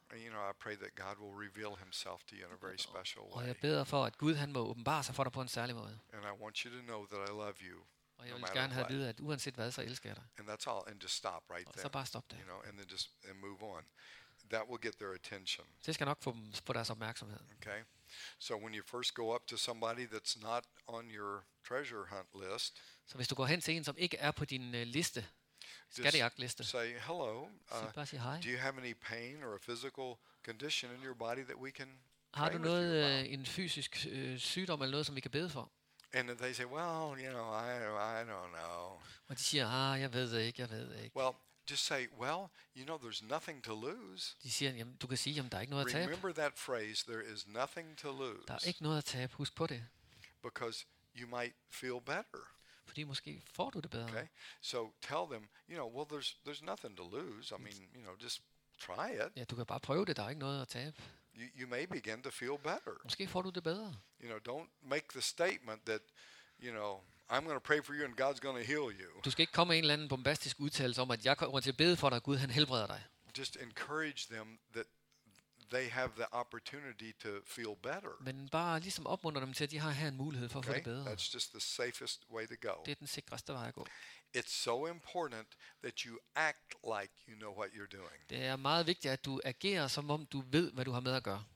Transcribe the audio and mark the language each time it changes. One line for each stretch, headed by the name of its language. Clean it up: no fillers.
English: You know, I pray that God will reveal himself to you in a very special way.
Danish: Og jeg beder for, at Gud han må åbenbare sig for dig på en særlig måde.
English: And I want you to know that I love you.
Danish: Og jeg vil gerne have at vide, at uanset hvad, så elsker jeg dig.
English: And that's all, and just stop right there.
Danish: Og så bare stop der.
English: You know, and then just and move on. That will get their attention.
Danish: Det skal nok få dem på deres opmærksomhed.
English: Okay. So when you first go up to somebody that's not on your treasure hunt list.
Danish: Så hvis du går hen til en, som ikke er på din liste, skattejagtliste.
English: Say hello.
Danish: Bare sige hej.
English: Do you have any pain or a physical condition in your body that we can
Danish: Har du noget en fysisk sygdom eller noget, som vi kan bede for?
English: And they say, well, you know, I don't know.
Danish: Og de siger, jeg ved det ikke, jeg ved det ikke.
English: Well, just say, well, you know, there's nothing to lose.
Danish: De siger, jamen, du kan sige, jamen, der er ikke noget at tabe.
English: Remember that phrase, there is nothing to lose.
Danish: Der er ikke noget at tabe, husk på det.
English: Because you might feel better.
Danish: Fordi måske får du det bedre.
English: Okay, so tell them, you know, well, there's nothing to lose. I mean, you know, just try it.
Danish: Ja, du kan bare prøve det, der er ikke noget at tabe.
English: You may begin to feel better.
Danish: Måske får du det bedre.
English: You know, don't make the statement that, you know, I'm going to pray for you and God's going to heal you.
Danish: Du skal ikke komme med en eller anden bombastisk udtalelse om, at jeg kommer til at bede for dig, Gud han helbreder dig.
English: Just encourage them that they have the opportunity to feel better.
Danish: Men bare ligesom opmunter dem til, at de har her en mulighed for at få det bedre.
English: That's just the safest way to go.
Danish: Det er den sikreste vej at gå.
English: It's so important that you act like you know what you're doing.
Danish: Det er meget vigtigt, at du agerer som om du ved, hvad du har med at gøre.